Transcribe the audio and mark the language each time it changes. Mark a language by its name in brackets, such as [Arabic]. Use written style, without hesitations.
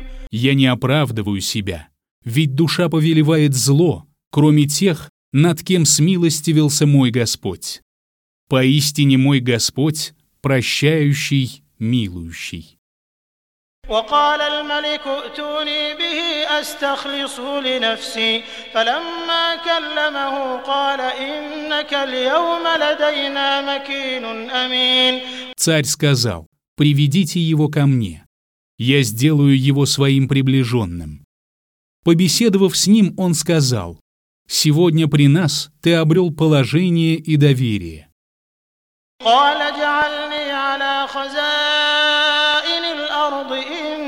[Russian] Я не оправдываю себя, ведь душа повелевает зло, кроме тех, над кем смилостивился мой Господь. Поистине мой Господь прощающий, милующий. [Arabic] وقال الملك ائتوني به أستخلص لنفسي فلما كلمه قال إنك اليوم لدينا مكين أمين. [Russian] Царь сказал: приведите его ко мне, я сделаю его своим приближенным. Побеседовав с ним, он сказал: сегодня при нас ты обрел положение и доверие. [Arabic] قال اجعلني على خزائن الأرض.